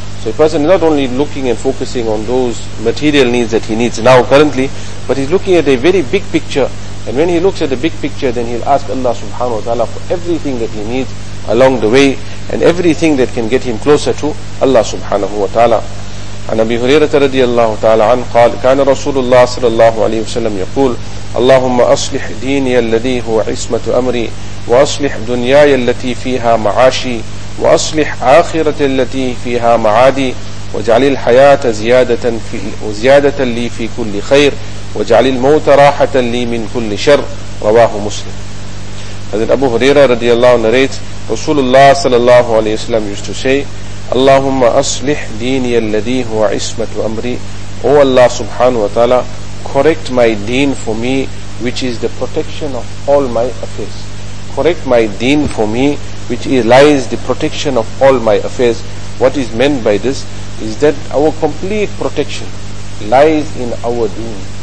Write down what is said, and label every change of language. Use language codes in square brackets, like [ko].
[en] So a person is not only looking and focusing on those material needs that he needs now currently, but he's looking at a very big picture. And when he looks at the big picture, then he'll ask Allah subhanahu wa ta'ala for everything that he needs along the way and everything that can get him closer to Allah subhanahu wa ta'ala. [ar] عن أبي هريرة رضي الله تعالى عنه قال كان رسول الله صلى الله عليه وسلم يقول اللهم أصلح ديني الذي هو عصمة أمري وأصلح دنياي التي فيها معاشي وأصلح آخرتي التي فيها معادي واجعل الحياة زيادة لي في كل خير واجعل الموت راحة لي من كل شر رواه مسلم. هذا أبو هريرة رضي الله عنه [en] narrates [ar] رسول الله صلى الله عليه وسلم used to say اللهم أصلح ديني الذي هو عصمة أمري. [en] O Allah subhanahu wa ta'ala, correct my deen for me, which is the protection of all my affairs. Correct my deen for me, which lies the protection of all my affairs. What is meant by this is that our complete protection lies in our deen.